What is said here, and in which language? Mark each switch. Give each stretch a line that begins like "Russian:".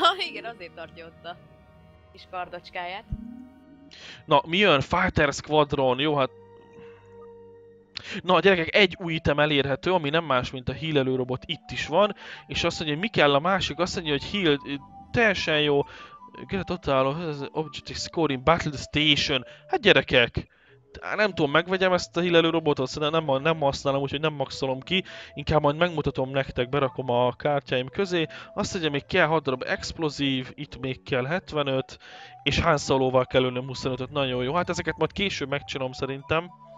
Hungarian: Igen, azért tartja ott a kis kardocskáját. Na, mi jön? Fighter Squadron, jó, hát... Na, gyerekek, egy új item elérhető, ami nem más, mint a healelő robot, itt is van. És azt mondja, hogy mi kell a másik? Azt mondja, hogy heal, teljesen jó.
English: Get out of objective scoring, battle station.
Hungarian: Hát gyerekek, nem tudom, megvegyem ezt a healelő robotot, szerintem nem használom, úgyhogy nem maxolom ki. Inkább majd megmutatom nektek, berakom a kártyáim közé. Azt mondja, még kell 6 darab explosív, itt még kell 75. És Han Solo-val kell ölnöm 25-öt, nagyon jó. Hát ezeket majd később megcsinom szerintem.